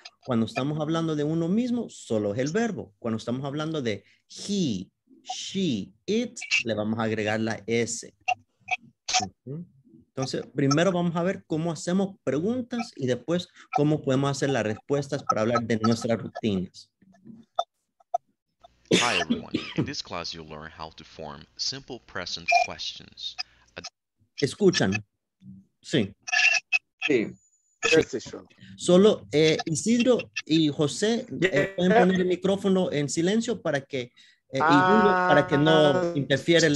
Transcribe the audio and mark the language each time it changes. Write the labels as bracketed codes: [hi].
[es] Cuando estamos hablando de uno mismo, solo es el verbo. Cuando estamos hablando de [en] he, she, it, [es] le vamos a agregar la S. ¿Okay? Entonces, primero vamos a ver cómo hacemos preguntas y después cómo podemos hacer las respuestas para hablar de nuestras rutinas. [en] Hi everyone. In this class you'll learn how to form simple present questions. [es] Escuchan. Sí. Sí. Solo Isidro y José pueden poner el micrófono en silencio para que Julio, para que no interfiera el